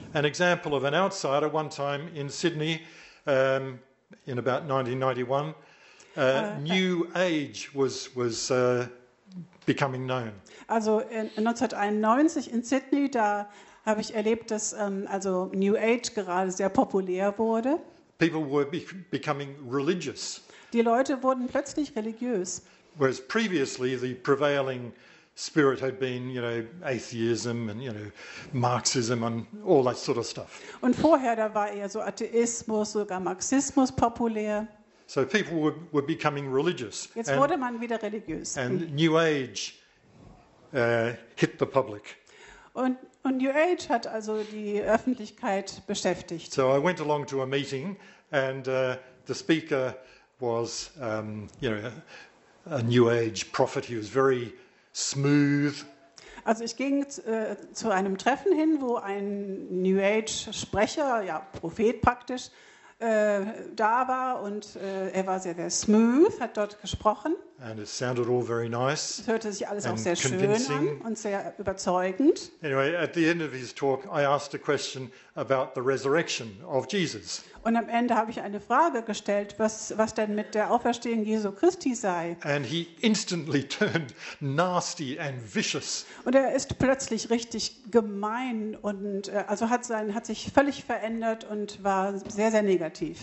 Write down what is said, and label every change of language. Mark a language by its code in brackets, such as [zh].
[en] An example of an outsider one time in Sydney in about 1991, New Age was becoming known. Also in 1991 in Sydney, [de] da habe ich erlebt, dass also New Age gerade sehr populär wurde. [en] People were becoming religious. [de] Die Leute wurden plötzlich religiös. [en] Whereas previously the prevailing spirit had been, you know, atheism and, you know, Marxism and all that sort of stuff. [de] Und vorher, da war eher so Atheismus, sogar Marxismus populär. [en] So people were becoming religious. [de] Jetzt wurde man wieder religiös. [en] And New Age hit the public. [de] Und New Age hat also die Öffentlichkeit beschäftigt. [en] So I went along to a meeting and the speaker was, a New Age prophet. He was very smooth. [de] Also ich ging zu einem Treffen hin, wo ein New Age Sprecher, ja Prophet praktisch, da war und er war sehr, sehr smooth, hat dort gesprochen. [en] And it sounded all very nice. [de] Es hörte sich alles auch sehr schön an und sehr überzeugend. [en] Anyway, at the end of his talk, I asked a question about the resurrection of Jesus. [de] Und am Ende habe ich eine Frage gestellt, was denn mit der Auferstehung Jesu Christi sei. [en] And he instantly turned nasty and vicious. [de] Und er ist plötzlich richtig gemein und also hat sich völlig verändert und war sehr, sehr negativ.